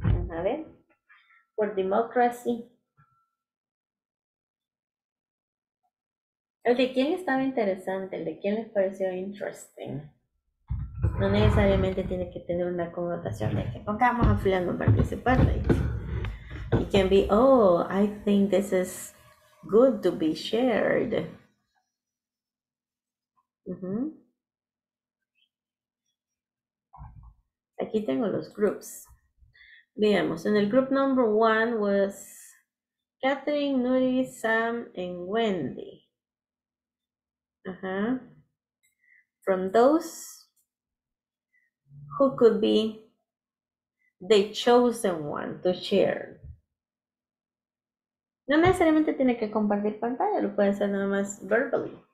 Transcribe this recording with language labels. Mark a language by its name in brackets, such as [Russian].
[Spanish] A ver. [English] For democracy. [Spanish] ¿El de quién estaba interesante? ¿El de quién les pareció interesting? No necesariamente tiene que tener una connotación de que pongamos a fulano a participar. [English] It can be, oh, I think this is good to be shared. Uh-huh. [Spanish] Aquí tengo los groups. Veamos, en el [English] group number one was [Spanish] Catherine, Nuri, Sam, and Wendy. Uh-huh. [English] From those, who could be the chosen one to share? [Spanish] No necesariamente tiene que compartir pantalla, lo puede hacer nada más verbally.